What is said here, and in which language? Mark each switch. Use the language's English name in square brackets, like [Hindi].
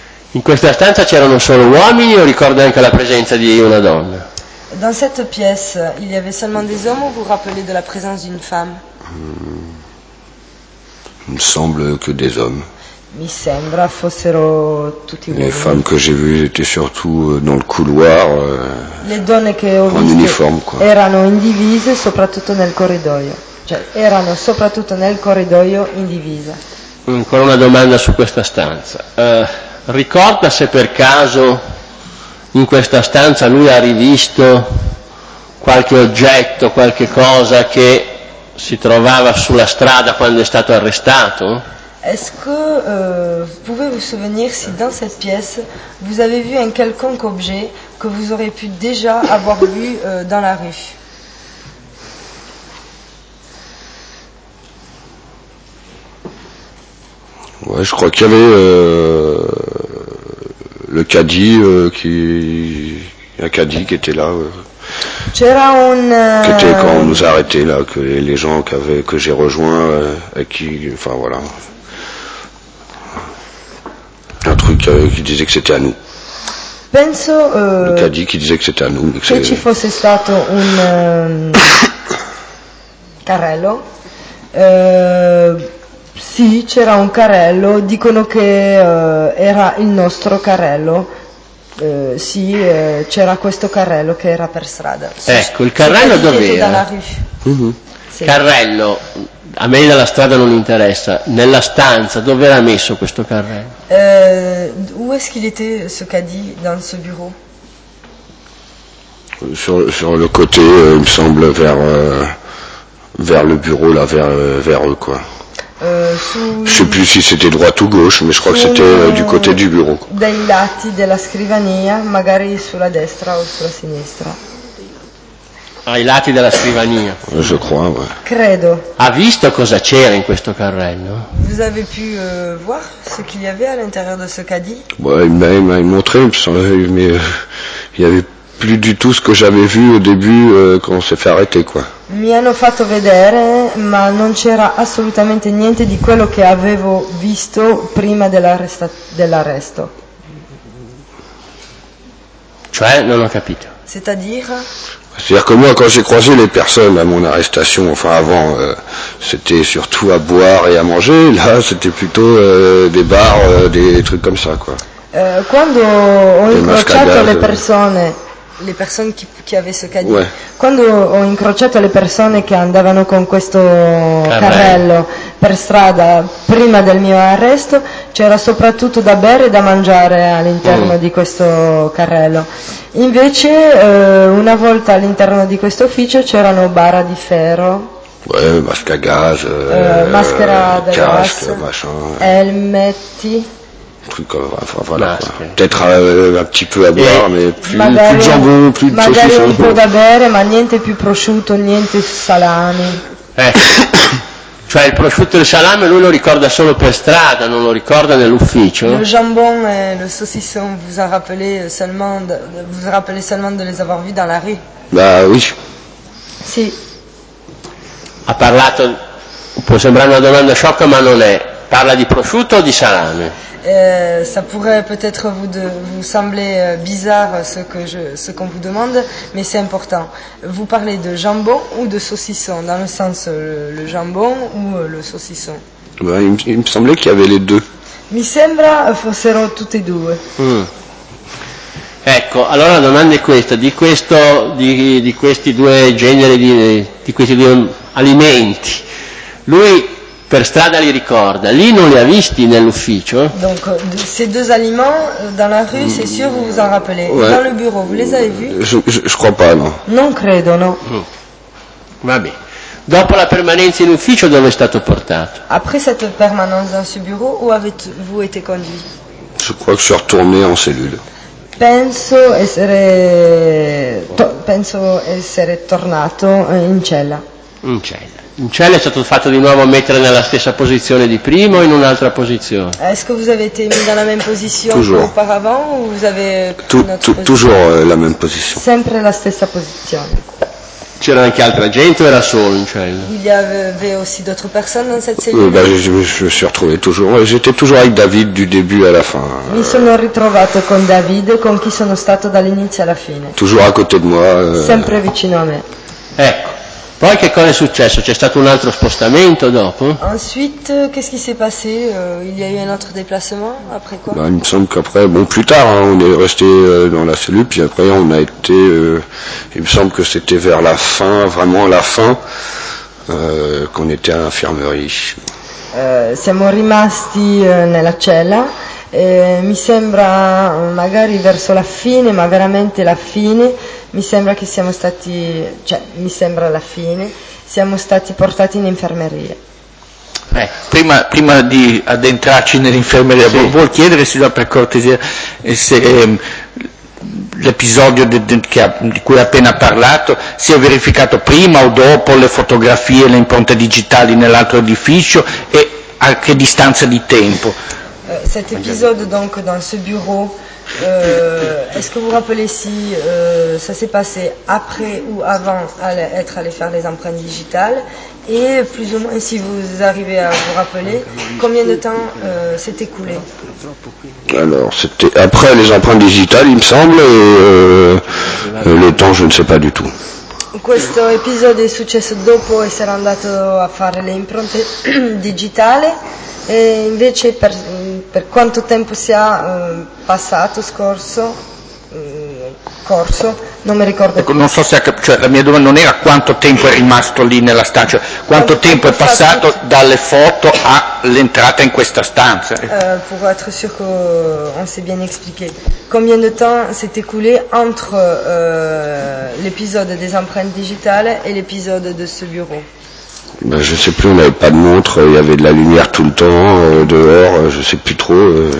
[Italian] In questa stanza c'erano solo uomini o ricordo anche la presenza di una donna? [French] Dans cette pièce, il y avait seulement des hommes ou vous vous rappelez de la présence d'une femme? Il me semble que des hommes. [Italian] Mi sembra fossero tutti uomini. [French] Le femmes che j'ai vues étaient surtout dans le couloir. [Italian] Le donne che ho visto [French] uniforme, quoi. [Italian] Erano in divisa, soprattutto nel corridoio. Cioè, erano soprattutto nel corridoio in divisa. Ancora una domanda su questa stanza. Ricorda se per caso in questa stanza lui ha rivisto qualche oggetto, qualche cosa che si trovava sulla strada quando è stato arrestato? [French] Est-ce que vous pouvez vous souvenir si dans cette pièce vous avez vu un quelconque objet que vous auriez pu déjà avoir vu dans la rue? Ouais, je crois qu'il y avait le caddie qui. Un caddie qui était là. [Italian] C'era un. [French] Qui était quand on nous a arrêté là, que les gens qu'avait, que j'ai rejoint, et qui. Enfin voilà. Un truc qui disait que c'était à nous. [Italian] Penso, [French] le caddie qui disait que c'était à nous. [Italian] Che ci fosse stato un carrello. Sì, c'era un carrello. Dicono che era il nostro carrello. Sì, c'era questo carrello che era per strada. Ecco, il carrello dov'era? Dalla... Sì. Carrello, a me dalla strada non interessa, nella stanza dove era messo questo carrello? [French] Où est-ce qu'il était ce caddie dans ce bureau? Sur le côté, il me semble, vers le bureau, là, vers eux, quoi. Je sais plus si c'était droite ou gauche, mais je crois que c'était du côté du bureau. [Italian] Dai lati della scrivania, magari sulla destra o sulla sinistra. Ai lati della scrivania. [French] Je crois, ouais. [Italian] Credo. Ha visto cosa c'era in questo carrello? [French] Vous avez pu voir ce qu'il y avait à l'intérieur de ce caddie? Ouais, il m'a montré, mais il n'y avait plus du tout ce que j'avais vu au début quand on s'est fait arrêter, quoi. [Italian] Mi hanno fatto vedere, ma non c'era assolutamente niente di quello che avevo visto prima dell'arresto. Cioè, non ho capito. [French] C'est-à-dire? C'est-à-dire que moi, quand j'ai croisé les personnes à mon arrestation, enfin avant, c'était surtout à boire et à manger. Là, c'était plutôt des bars, des trucs comme ça, quoi. [Italian] Quando ho incrociato le persone che avevano ce cadì, ouais. Quando ho incrociato le persone che andavano con questo carrello per strada prima del mio arresto, c'era soprattutto da bere e da mangiare all'interno di questo carrello. Invece una volta all'interno di questo ufficio c'erano bara di ferro. [French] Ouais, masque à gaz, [Italian] maschera da gas, machin, elmetti. [French] Truc, enfin, voilà, peut-être un petit peu à boire, et mais plus de jambon, plus de saucisson. [Italian] Magari un po' da bere, ma niente più prosciutto, niente salami. Cioè il prosciutto e il salame lui lo ricorda solo per strada, non lo ricorda nell'ufficio. [French] Le jambon e le saucisson vous rappelez seulement de les avoir vus dans la rue? Bah oui. [Italian] Sì. Ha parlato, può sembrare una domanda sciocca, ma non è. Parla di prosciutto o di salame? [French] Ça pourrait peut-être vous sembler bizarre ce qu'on vous demande, mais c'est important. Vous parlez de jambon ou de saucisson, dans le sens le jambon ou le saucisson? Bah, il me semblait qu'il y avait les deux. [Italian] Mi sembra fossero tutte e due. Ecco, allora la domanda è questa, di questi due generi di questi due alimenti. Lui per strada li ricorda, lì non li ha visti nell'ufficio. [French] Donc, ces deux aliments, dans la rue, c'est sûr, vous vous en rappelez. Ouais. Dans le bureau, vous les avez vus? Je crois pas, non. [Italian] Non credo, no. Va bene. Dopo la permanenza in ufficio, dove è stato portato? [French] Après cette permanence dans ce bureau, où avez-vous été conduit? Je crois que je suis retourné en cellule. [Italian] Penso essere tornato in cella. In cella. In cella è stato fatto di nuovo mettere nella stessa posizione di prima o in un'altra posizione? [French] Est-ce que vous avez été mis dans la même position qu'auparavant ou vous avez toujours la même position? [Italian] Sempre la stessa posizione. C'era anche altra gente o era solo in cella? [French] Il y avait aussi d'autres personnes dans cette cellule. Je suis retrouvé toujours. J'étais toujours avec David du début à la fin. [Italian] Mi sono ritrovato con David, con chi sono stato dall'inizio alla fine. [French] Toujours à côté de moi. [Italian] Sempre vicino a me. Ecco. Poi che cosa è successo? C'è stato un altro spostamento dopo? [French] Ensuite, qu'est-ce qui s'est passé? Il y a eu un autre déplacement après quoi? Bah, il me semble qu'après, bon, plus tard, hein, on est resté dans la cellule, puis après on a été, il me semble que c'était vers la fin, vraiment la fin, qu'on était à l'infirmerie. [Italian] Siamo rimasti nella cella. Mi sembra magari verso la fine, ma veramente la fine. Mi sembra che siamo stati, cioè mi sembra la fine, siamo stati portati in infermeria. Prima di addentrarci nell'infermeria, sì. Vuol chiedere, signora, per cortesia, se l'episodio di cui ha appena parlato si è verificato prima o dopo le fotografie, le impronte digitali nell'altro edificio e a che distanza di tempo? [French] Cet episodio, donc, dans ce bureau. Est-ce que vous rappelez si ça s'est passé après ou avant être allé faire les empreintes digitales et plus ou moins si vous arrivez à vous rappeler combien de temps s'est écoulé? Alors c'était après les empreintes digitales il me semble et le temps je ne sais pas du tout. [Italian] Questo episodio è successo dopo essere andato a fare le impronte digitali e invece per quanto tempo sia passato, scorso, non mi ricordo. Ecco, non so se la mia domanda non era quanto tempo è rimasto lì nella stanza, quanto tempo è passato dalle foto all'entrata in questa stanza. Per essere [French] sûr che on s'est bien expliqué. Combien de temps s'est écoulé entre l'épisode des empreintes digitales et l'épisode de ce bureau? Ben, je sais plus, on n'avait pas de montre, il y avait de la lumière tout le temps, dehors, je sais plus trop.